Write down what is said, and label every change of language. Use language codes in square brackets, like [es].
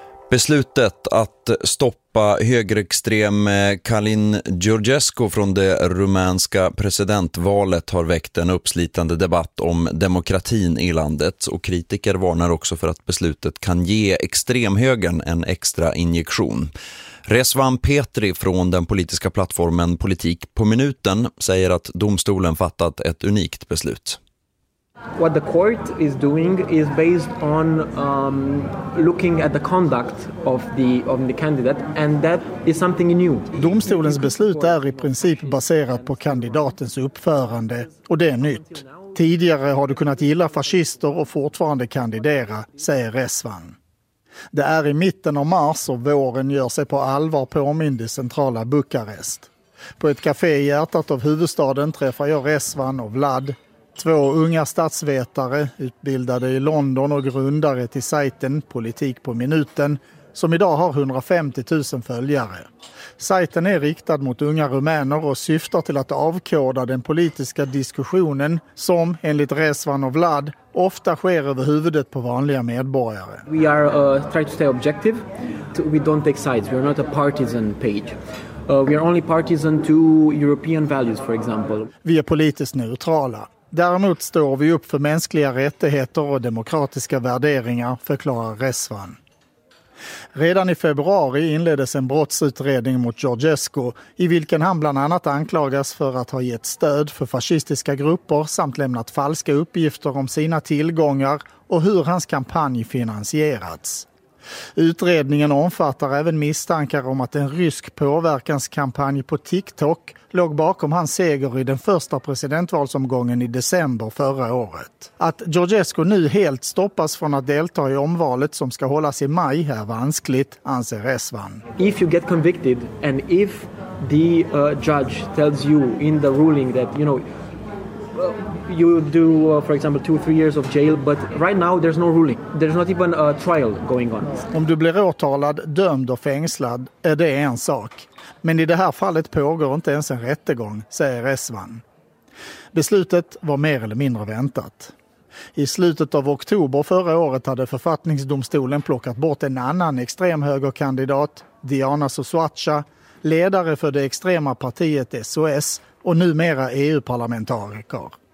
[sv] Beslutet att stoppa högerextrem Calin Georgescu från det rumänska presidentvalet har väckt en uppslitande debatt om demokratin i landet, och kritiker varnar också för att beslutet kan ge extremhögern en extra injektion. Rezvan Petri från den politiska plattformen Politik på minuten säger att domstolen fattat ett unikt beslut. [en] What the court is doing is based on looking at the conduct of the candidate, and that is something new. [sv] Domstolens beslut är i princip baserat på kandidatens uppförande, och det är nytt. Tidigare har du kunnat gilla fascister och fortfarande kandidera, säger Rezvan. Det är i mitten av mars, och våren gör sig på allvar påmind i centrala Bukarest. På ett café i hjärtat av huvudstaden träffar jag Rezwan och Vlad. Två unga statsvetare utbildade i London och grundare till sajten Politik på minuten, som idag har 150 000 följare. Sajten är riktad mot unga rumäner och syftar till att avkoda den politiska diskussionen som, enligt Rezwan och Vlad, ofta sker över huvudet på vanliga medborgare. [en] We are try to stay objective. We don't take sides. We are not a partisan page. We are only partisan to European values, for example. [sv] Vi är politiskt neutrala. Däremot står vi upp för mänskliga rättigheter och demokratiska värderingar, förklarar Rezwan. Redan i februari inleddes en brottsutredning mot Georgescu, i vilken han bland annat anklagas för att ha gett stöd för fascistiska grupper samt lämnat falska uppgifter om sina tillgångar och hur hans kampanj finansierats. Utredningen omfattar även misstankar om att en rysk påverkanskampanj på TikTok låg bakom hans seger i den första presidentvalsomgången i december förra året. Att Georgescu nu helt stoppas från att delta i omvalet som ska hållas i maj är vanskligt, anser Rezwan. [en] If you get convicted and if the judge tells you in the ruling that, you know, you do for example 2-3 years of jail, but right now there's no ruling, there's not even a trial going on. [sv] Om du blir åtalad, dömd och fängslad är det en sak, men i det här fallet pågår inte ens en rättegång, säger Rezwan. Beslutet var mer eller mindre väntat. I slutet av oktober förra året hade författningsdomstolen plockat bort en annan extremhögerkandidat, Diana Suswacha, ledare för det extrema partiet SOS och numera EU-parlamentariker.